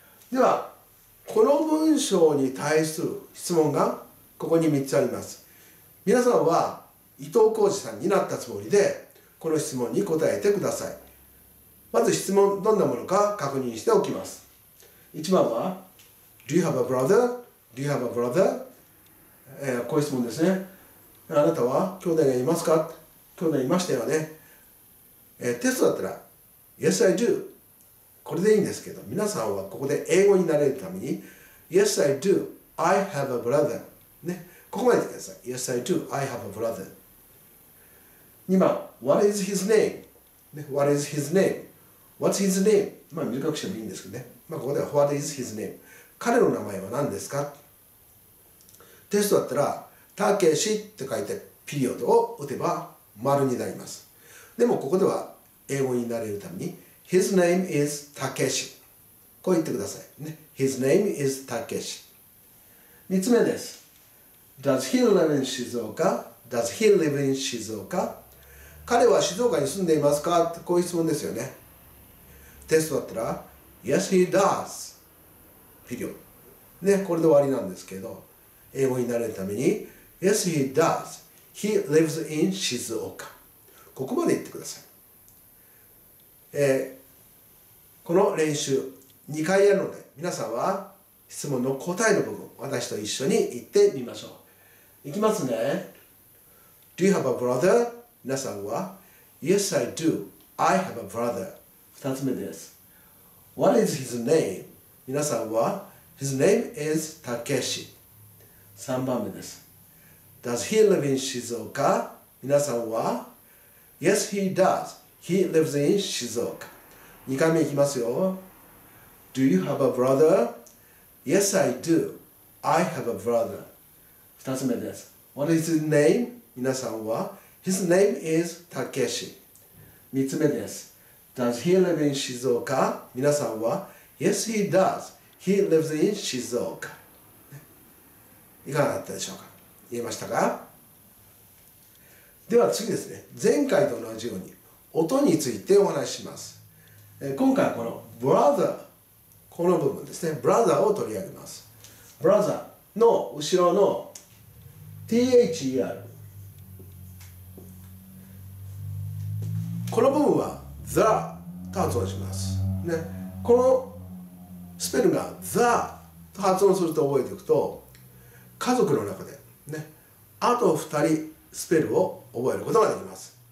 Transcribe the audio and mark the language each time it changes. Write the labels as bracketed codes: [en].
[ja] では、この文章に対する質問がここに3つあります。皆さんは伊藤浩司さんになったつもりでこの質問に答えてください。まず質問どんなものか確認しておきます。 1番は [en] Do you have a brother? Do you have a brother?、 [ja] こういう質問ですね。あなたは兄弟がいますか？兄弟いましたよね、テストだったら [en] Yes I do [ja] これでいいんですけど、皆さんはここで英語になれるために [en] Yes I do I have a brother [ja] ね、ここまで言ってください。 [en] Yes, I do. I have a brother. [ja] 2番 [en] What is his name?、ね、What is his name? What's his name? [ja] まあ短くしてもいいんですけどね、まあ、ここでは [en] What is his name? [ja] 彼の名前は何ですか？テストだったらたけしって書いてピリオドを打てば丸になります。でもここでは英語になれるために [en] His name is Takeshi [ja] こう言ってください、ね、His name is Takeshi。 3つ目です。 [en] Does he live in Shizuoka? Does he live in Shizuoka? [ja] 彼は静岡に住んでいますか？ってこういう質問ですよね。テストだったら [en] Yes, he does. [ja] ピリオド、ね、これで終わりなんですけど、英語になれるために [en] Yes, he does. He lives in Shizuoka. [ja] ここまで言ってください。この練習2回やるので皆さんは質問の答えの部分私と一緒に言ってみましょう。いきますね。 [en] Do you have a brother? [ja] 皆さんは [en] Yes, I do. I have a brother. [ja] 2つ目です。 [en] What is his name? [ja] 皆さんは [en] His name is Takeshi. [ja] 3番目です。 [en] Does he live in Shizuoka? [ja] 皆さんは [en] Yes, he does. He lives in Shizuoka. [ja] 2回目いきますよ。 [en] Do you have a brother? Yes, I do. I have a brother. [ja] 2つ目です。 [en] What is his name? [ja] 皆さんは [en] His name is Takeshi。 [ja] 3つ目です。 [en] Does he live in Shizuoka? [ja] 皆さんは [en] Yes, he does. He lives in Shizuoka。 [ja] いかがだったでしょうか？言えましたか？では次ですね。前回と同じように音についてお話しします。今回はこの Brother この部分ですね。 Brother を取り上げます。Brother の後ろのTHER この部分は THE と発音します、ね、このスペルが THE と発音すると覚えておくと家族の中で、ね、あと2人スペルを覚えることができます。